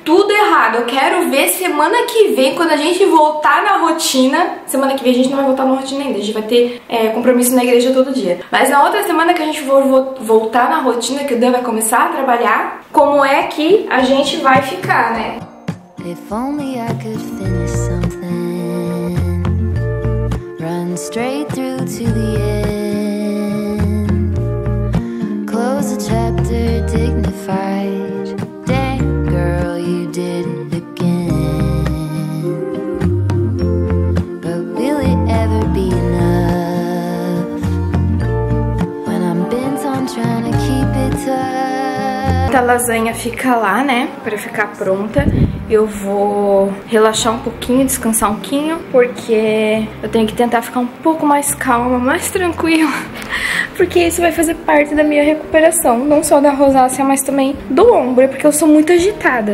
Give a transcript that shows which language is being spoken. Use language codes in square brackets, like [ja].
[pt] Tudo errado. Eu quero ver semana que vem, quando a gente voltar na rotina. Semana que vem a gente não vai voltar na rotina ainda. A gente vai ter compromisso na igreja todo dia. Mas na outra semana que a gente for voltar na rotina, que o Dan vai começar a trabalhar, como é que a gente vai ficar, né? [en] If only I could finish something, run straight through to the end, close the chapter dignified, dang girl you did it again, but will it ever be enough, when I'm bent on trying to keep it tough. [pt] A lasanha fica lá, né, pra ficar pronta. Eu vou relaxar um pouquinho, descansar um pouquinho, porque eu tenho que tentar ficar um pouco mais calma, mais tranquila, porque isso vai fazer parte da minha recuperação, não só da rosácea, mas também do ombro, porque eu sou muito agitada.